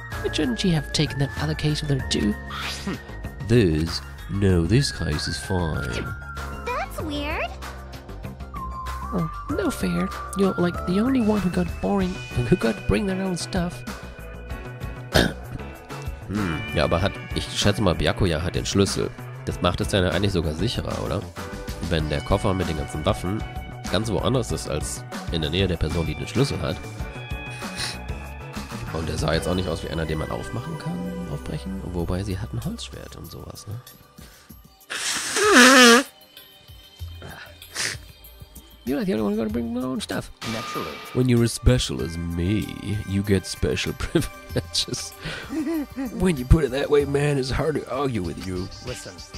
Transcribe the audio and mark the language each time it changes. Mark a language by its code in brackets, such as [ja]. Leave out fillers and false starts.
[en] But shouldn't she have taken that other case with her too? This case is fine. That's weird. Oh, no fair. You're like the only one who got boring, who got to bring their own stuff. [de] Ja, aber hat, ich schätze mal, Byakuya hat den Schlüssel. Das macht es dann ja eigentlich sogar sicherer, oder? Wenn der Koffer mit den ganzen Waffen ganz woanders ist, als in der Nähe der Person, die den Schlüssel hat. Und der sah jetzt auch nicht aus wie einer, den man aufmachen kann, aufbrechen. Wobei, sie hat ein Holzschwert und sowas, ne? [en] You're the only one gonna bring my own stuff. Naturally. When you're as special as me, you get special privileges. When you put it that way, man, it's hard to argue with you. Listen.